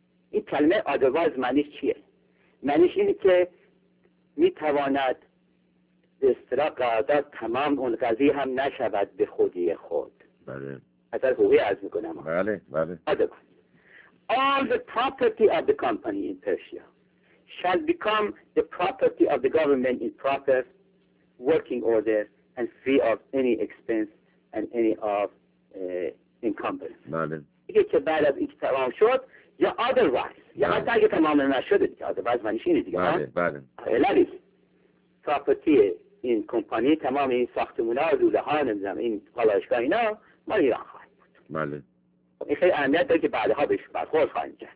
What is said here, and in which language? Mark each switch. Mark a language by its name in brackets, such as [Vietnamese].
[Persian] این کلمه otherwise معنیش چیه؟ معنیش اینه که میتواند به اصطلاح قرارداد تمام اون قضیه هم نشود به خودی خود. بله. اصلا حقوقی عرض میکنم. بله بله. [English] otherwise all the property of the company in Persia shall become the property of the government in proper working order and free of any expense and any of encumbrance. [Persian] بله. یکی که بعد از اینکه تمام شد یا otherwise یا حتی اگه تمام نشده دیگه otherwise معنیش اینه دیگه. بله بله. حالا دیگه property این کمپانی تمام این ساختمونا لوله ها نمیدونم این پالایشگاه اینا مال ایران خواهد بود. بله. این خیلی اهمیت داره که بعدها بهش برخورد خواهیم کرد.